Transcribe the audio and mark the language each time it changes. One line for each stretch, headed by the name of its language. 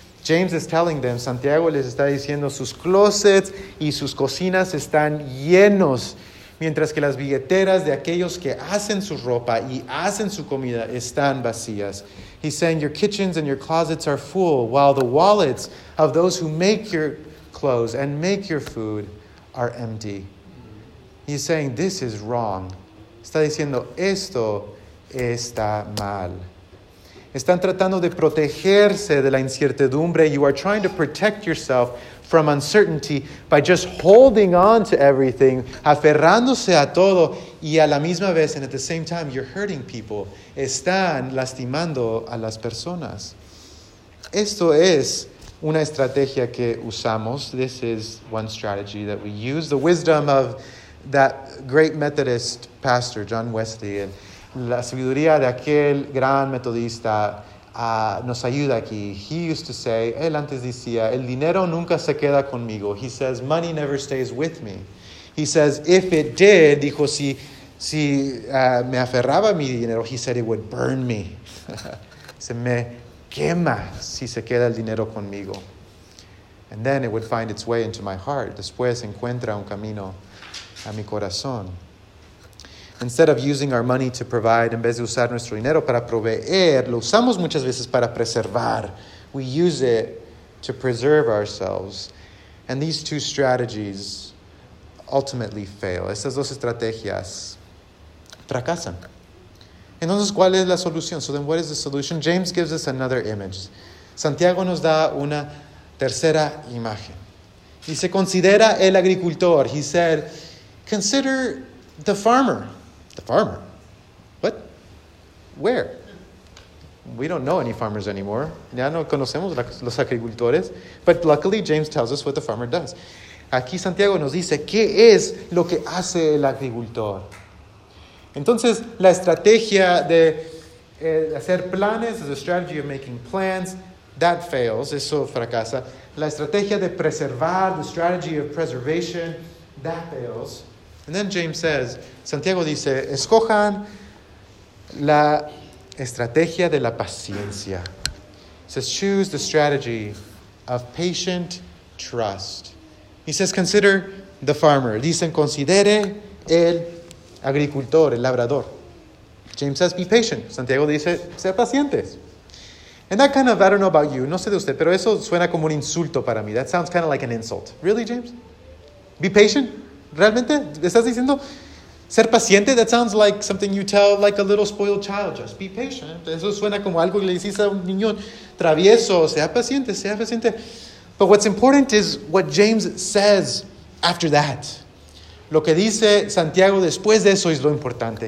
English: James is telling them,
Spanish: Santiago les está diciendo, sus closets y sus cocinas están llenos, mientras que las billeteras de aquellos que hacen su ropa y hacen su comida están vacías.
English: He's saying, your kitchens and your closets are full, while the wallets of those who make your clothes and make your food are empty. He's saying, this is wrong.
Spanish: Está diciendo, esto está mal. Están tratando de protegerse de la incertidumbre.
English: You are trying to protect yourself from uncertainty by just holding on to everything,
Spanish: aferrándose a todo, y a la misma vez,
English: and at the same time, you're hurting people.
Spanish: Están lastimando a las personas. Esto es una estrategia que usamos.
English: This is one strategy that we use. The wisdom of that great Methodist pastor, John Wesley, and
Spanish: la sabiduría de aquel gran metodista nos ayuda aquí.
English: He used to say,
Spanish: él antes decía, el dinero nunca se queda conmigo.
English: He says, money never stays with me. He says, if it did,
Spanish: dijo, si me aferraba a mi dinero,
English: he said, it would burn me.
Spanish: Se me quema si se queda el dinero conmigo.
English: And then it would find its way into my heart.
Spanish: Después encuentra un camino a mi corazón.
English: Instead of using our money to provide,
Spanish: en vez de usar nuestro dinero para proveer, lo usamos muchas veces para preservar.
English: We use it to preserve ourselves. And these two strategies ultimately fail.
Spanish: Estas dos estrategias fracasan. Entonces, ¿cuál es la solución?
English: So then, what is the solution? James gives us another image.
Spanish: Santiago nos da una tercera imagen. Y se considera el agricultor.
English: He said, consider the farmer. The farmer? What? Where? We don't know any farmers anymore.
Spanish: Ya no conocemos los agricultores.
English: But luckily, James tells us what the farmer does.
Spanish: Aquí Santiago nos dice, ¿qué es lo que hace el agricultor? Entonces, la estrategia de hacer planes,
English: the strategy of making plans, that fails,
Spanish: eso fracasa. La estrategia de preservar,
English: the strategy of preservation, that fails. And then James says,
Spanish: Santiago dice, escojan la estrategia de la paciencia.
English: He says, choose the strategy of patient trust. He says, consider the farmer.
Spanish: Dicen, considere el agricultor, el labrador.
English: James says, be patient.
Spanish: Santiago dice, sea pacientes.
English: And that kind of, I don't know about you,
Spanish: no sé de usted, pero eso suena como un insulto para mí.
English: That sounds kind of like an insult. Really, James? Be patient?
Spanish: ¿Realmente? ¿Estás diciendo ser paciente?
English: That sounds like something you tell like a little spoiled child. Just be patient.
Spanish: Eso suena como algo que le decís a un niño travieso. Sea paciente, sea paciente.
English: But what's important is what James says after that.
Spanish: Lo que dice Santiago después de eso es lo importante.